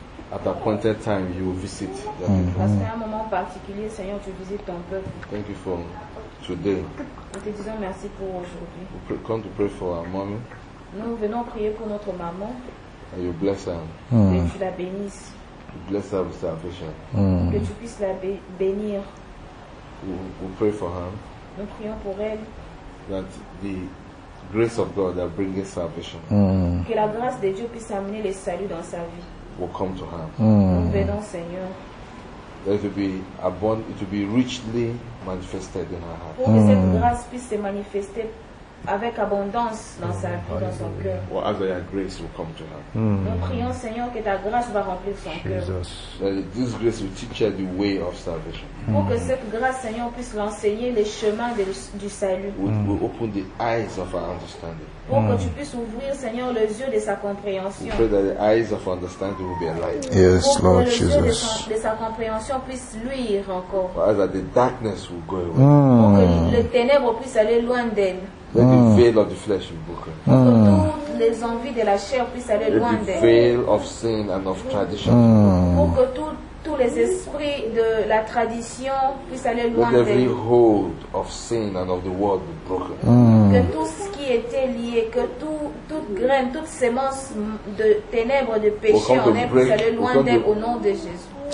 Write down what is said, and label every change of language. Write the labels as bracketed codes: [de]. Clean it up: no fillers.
[en] At appointed time, you visit your people. [fr] Seigneur, tu visites ton peuple. [en] Thank you for today. [fr] Nous te disons merci pour aujourd'hui. [en] Come to pray for our mommy. [fr] Nous venons prier pour notre maman. [en] And you bless her. [fr] Que tu la bénisses. [en] You bless her with salvation. [fr] Que tu puisses la bénir. [en] We pray for her. [fr] Nous prions pour elle. [en] That the grace of God that brings salvation. [fr] Que la grâce de Dieu puisse amener le salut dans sa vie. [en] Will come to her. [fr] Venons, Seigneur. [en] There will be abundant, it will be richly manifested in her heart. [fr] Pour que cette grâce puisse se manifester avec abondance dans sa vie, dans son cœur. [en] Well, as your grace will come to her. [fr] Nous prions, Seigneur, que ta grâce va remplir son cœur. [en] This grace will teach her the way of salvation. [fr] Pour que cette grâce, Seigneur, puisse l'enseigner le chemin du salut. [en] Will open the eyes of her understanding. [fr] Pour que tu puisses ouvrir, Seigneur, les yeux de sa compréhension. [en] We pray that the eyes of understanding will be enlightened. Yes, Lord Jesus. [fr] Pour que les yeux de sa compréhension puissent luire encore. [en] For as the darkness will go away. [fr] Pour que les ténèbres puissent aller loin d'elle. [en] Let the veil of the flesh be broken. [fr] Pour que toutes les envies de la chair puissent aller loin d'elle. [en] Let the veil of sin and of tradition. [fr] Pour que tous les esprits de la tradition puissent aller loin d'elle. [en] Let every hold of sin and of the world be broken. [fr] Que tout ce qui était lié, que toute graine, toute semence de ténèbres, de péché en elle, puisse aller loin d'elle au nom de Jésus.